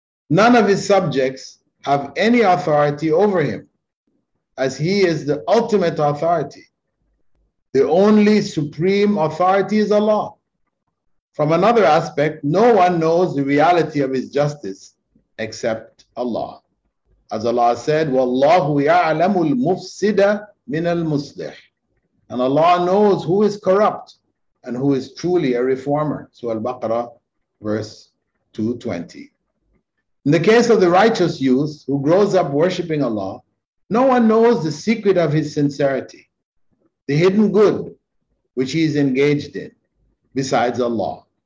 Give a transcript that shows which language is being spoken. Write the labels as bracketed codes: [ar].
[en] None of his subjects have any authority over him, as he is the ultimate authority. The only supreme authority is Allah. From another aspect, no one knows the reality of his justice except Allah. As Allah said, [ar] وَاللَّهُ يَعْلَمُ الْمُفْسِدَ مِنَ الْمُصْلِحِ. [en] And Allah knows who is corrupt and who is truly a reformer. Surah Al-Baqarah, verse 220. In the case of the righteous youth who grows up worshipping Allah, no one knows the secret of his sincerity, the hidden good which he is engaged in, besides Allah.